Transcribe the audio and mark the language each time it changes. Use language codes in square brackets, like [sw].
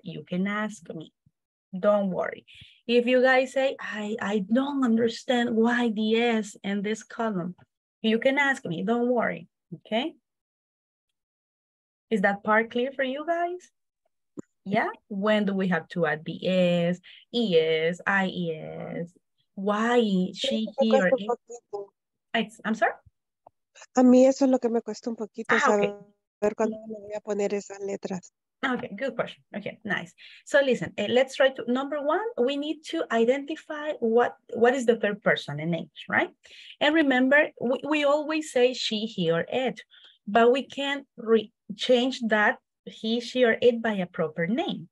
[en] You can ask me. Don't worry. If you guys say, I don't understand why the S in this column, you can ask me. Don't worry. Okay. Is that part clear for you guys? Yeah. When do we have to add the S, ES, IES? Why she here? I'm sorry. [es] A mí eso es lo que me cuesta un poquito saber cuándo me voy a poner esas letras. [en] Okay, good question. Okay, nice. So listen, let's try to, number one, we need to identify what is the third person in English, right? And remember, we always say she, he, or it, but we can change that he, she, or it by a proper name.